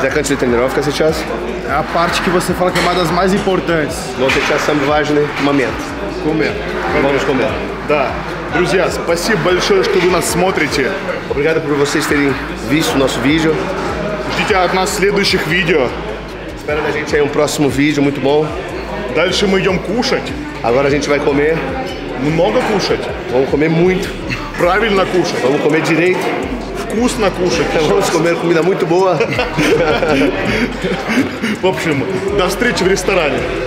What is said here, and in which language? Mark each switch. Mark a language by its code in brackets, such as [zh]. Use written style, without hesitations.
[pt] Já cantei o treino, fica sentindo? É a parte que você fala que é uma das mais importantes. Vamos sentir essa vagina no momento. Comer. Vamos comer. Tá. [ru] Друзья, спасибо большое, что вы нас смотрите. [pt] Obrigado por vocês terem visto o nosso vídeo. [ru] Ждите от нас следующих видео. [pt] Espera da gente aí um próximo vídeo, muito bom. [ru] Дальше мы идем кушать. [pt] Agora a gente vai comer. [ru] Много кушать. [pt] Vamos comer muito. [ru] Правильно кушать. [pt] Vamos comer direito. [ru] Вкусно кушать. [pt] Vamos comer comida muito boa. [ru] В общем, до встречи в ресторане.